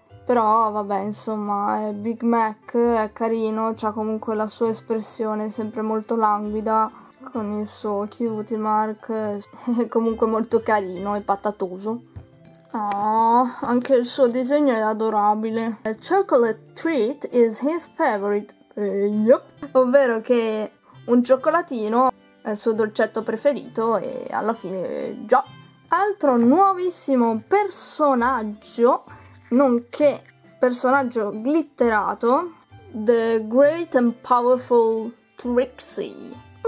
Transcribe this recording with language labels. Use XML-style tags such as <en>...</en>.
<it>Però vabbè, insomma, Big Mac è carino, c'ha comunque la sua espressione sempre molto languida, con il suo cutie mark, è comunque molto carino e patatoso. Oh, anche il suo disegno è adorabile.</it> <en>A chocolate treat is his favorite. Yep.</en> <it>Ovvero che un cioccolatino è il suo dolcetto preferito e alla fine già. Altro nuovissimo personaggio, nonché personaggio glitterato, The Great and Powerful Trixie.</it>